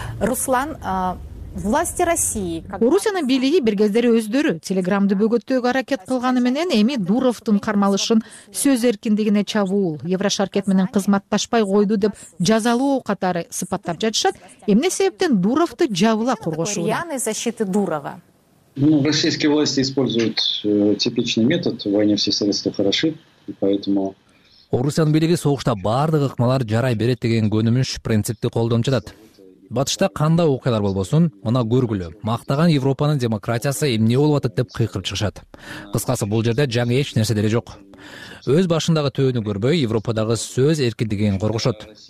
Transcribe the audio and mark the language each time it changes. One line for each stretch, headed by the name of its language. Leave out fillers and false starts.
Russian: Руслан, власти России.
Kyrgyz: Орусиянын бийлиги бир кездери өздөрү телеграмды бөгөттөөгө аракет кылганы менен эми Дуровдун кармалышын сөз эркиндигине чабуул, Еврошаркет менен кызматташпай койду деп жазалоо катары сыпаттап жатышат. Эмне себептен Дуровду жабыла коргошууда?
Russian: Реальная защита Дурова. Ну, российские власти используют типичный метод, в войне все средства хороши, и поэтому
Kyrgyz: Орусиянын бийлиги согушта баардык ыкмалар жарай берет деген көнүмүш принципти колдонуп жатат. Батышта кандай окуялар болбосун, мына көргүлө, мактаган Европанын демократиясы эмне болуп атат деп кыйкырып чыгышат. Кыскасы, бул жерде жаңы эч нерсе деле жок. Өз башындагы төөнү көрбөй, Европадагы сөз эркиндигин коргошот.